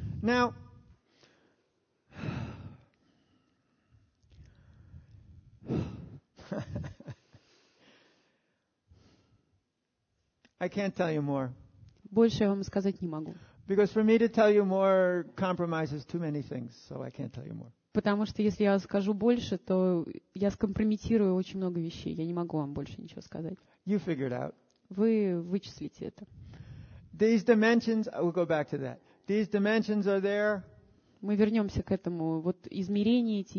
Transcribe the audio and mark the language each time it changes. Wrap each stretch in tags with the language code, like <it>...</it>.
<en>Now, I can't tell you more.</en> <ru>Больше я вам сказать не могу.</ru> <en>Because for me to tell you more compromises too many things, so I can't tell you more.</en> <ru>Потому что если я скажу больше, то я скомпрометирую очень много вещей. Я не могу вам больше ничего сказать.</ru> <en>You figure it out.</en> <ru>Вы вычислите это.</ru> <en>These dimensions, we'll go back to that. These dimensions are there.</en> <ru>Мы вернемся к этому. Вот измерения эти.</ru>